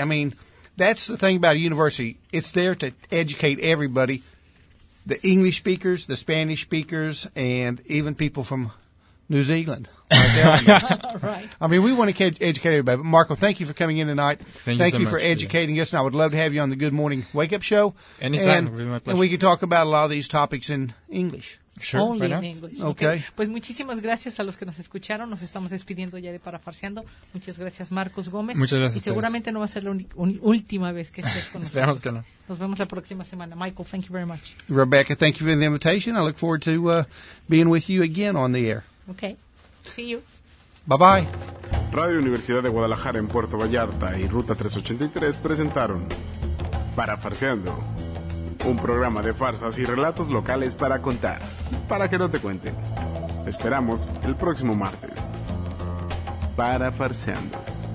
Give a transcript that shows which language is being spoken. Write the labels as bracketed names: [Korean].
[English] I mean, that's the thing about a university. It's there to educate everybody, the English speakers, the Spanish speakers, and even people from New Zealand. Right. I mean, we want to educate everybody. But Marco, thank you for coming in tonight. Thank you so much for educating us. And I would love to have you on the Good Morning Wake Up Show. Anytime. And, really my pleasure. And we could talk about a lot of these topics in English. Sure. Only right in English. Okay. [Spanish] Pues muchísimas gracias a los que nos escucharon. Nos estamos despidiendo ya de Parafarseando. Muchas gracias, Marcos Gómez. Muchas gracias. Y seguramente no va a ser la última vez que estés con nosotros. Esperamos que no. Nos vemos la próxima semana. Michael, thank you very much. [English] Rebecca, thank you for the invitation. I look forward to being with you again on the air. Okay. See you. Bye-bye. [Spanish] Radio Universidad de Guadalajara en Puerto Vallarta y Ruta 383 presentaron Parafarseando, un programa de farsas y relatos locales para contar, para que no te cuenten. Esperamos el próximo martes. Parafarseando.